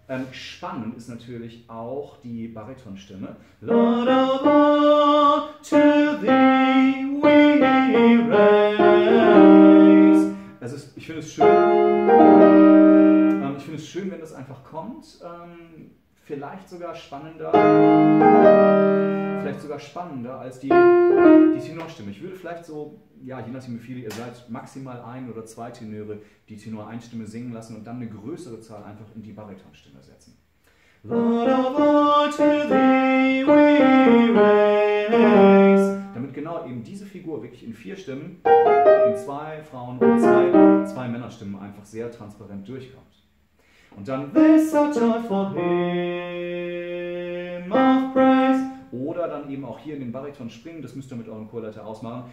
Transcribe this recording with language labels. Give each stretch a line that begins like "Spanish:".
German: Spannend ist natürlich auch die Baritonstimme.
English: Lord of All, to thee we raise.
German: Also ich finde es schön. Wenn das einfach kommt. Vielleicht sogar spannender als die Tenorstimme. Ich würde vielleicht so, ja, je nachdem wie viele ihr seid, maximal ein oder zwei Tenöre die Tenor-Einstimme singen lassen und dann eine größere Zahl einfach in die Baritonstimme setzen.
English: Lord of all to thee we raise.
German: damit genau eben diese Figur wirklich in vier Stimmen, in zwei Frauen- und zwei Männerstimmen einfach sehr transparent durchkommt. Und dann
English: This a joy for him of praise.
German: Oder dann eben auch hier in den Bariton springen, das müsst ihr mit eurem Chorleiter ausmachen.